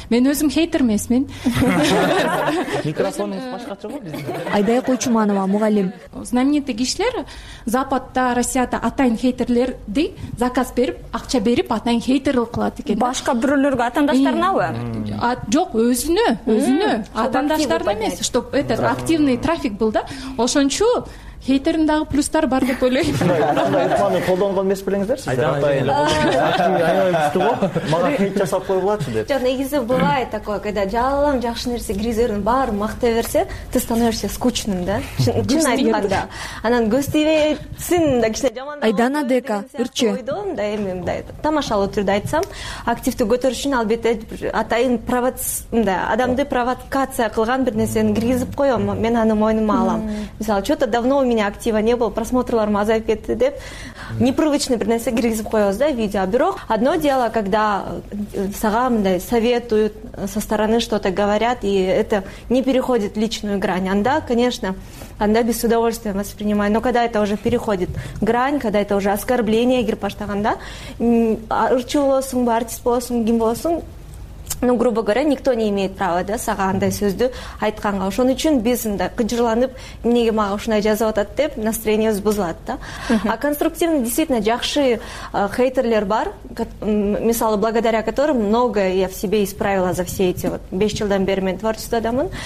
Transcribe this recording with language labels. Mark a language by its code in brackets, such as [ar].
[ky] Мен өзүм хейтер эмесмин. Микрофонуңуз башкача го биздин. Айдай Койчуманова, мугалим. Знаменитый кишилер Западда, Россияда атайын хейтерлерди заказ берип, акча берип атайын хейтер кылат экен. Башка бирөөлөргө, атаандаштарынабы? Жок, өзүнө, өзүнө, атаандаштарына эмес, [ru] чтоб этот активный трафик был [ky] да. Ошончо хейтердин дагы плюстары бар деп ойлойм. Аны колдонгон эмес белеңиздер сиз? Мага хейт жасап коюп алачы деп. Жок, негизи [ru] бывает такое, когда [ky] жалаң жакшы нерсе киргизердин баарын мактай берсе, [ru] ты становишься скучным, [ky] да? Чын айтканда. Анан көз тийбесин да кичине жаман. Айдана Дека, ырчы. Ойдон да эми мындай тамашалуу түрдө айтсам, активдүү көтөрүш үчүн албетте атайын мындай адамды провокация кылган бир нерсени киргизип коем, мен аны мойнума алам. Мисалы, [ru] что-то давно у меня актива не было, [ky] просмотрларым азайып кетти деп непривычный бир нерсе киргизип коебуз да видео. Бирок [ru] одно дело, когда [ky] сага мындай [ru] советуют со стороны, что-то говорят, и это не переходит личную грань. Анда, конечно, анда без удовольствия воспринимаю. Но когда это уже переходит грань, когда это уже оскорбление [ky] кирип баштаганда, ырчы болосуңбу, артист болосуңбу, ким болосуң, [ru] ну, грубо говоря, никто не имеет права, [ky] да, сага андай сөздү айтканга. Ошон үчүн биз мындай кыжырланып, эмнеге мага ушундай жазып атат деп настроениебиз бузулат да. [ru] А конструктивный действительно [ky] жакшы хейтерлер бар, мисалы, [ru] благодаря которым многое я в себе исправила за все эти вот 5 [ky] жылдан бери мен творчествомун.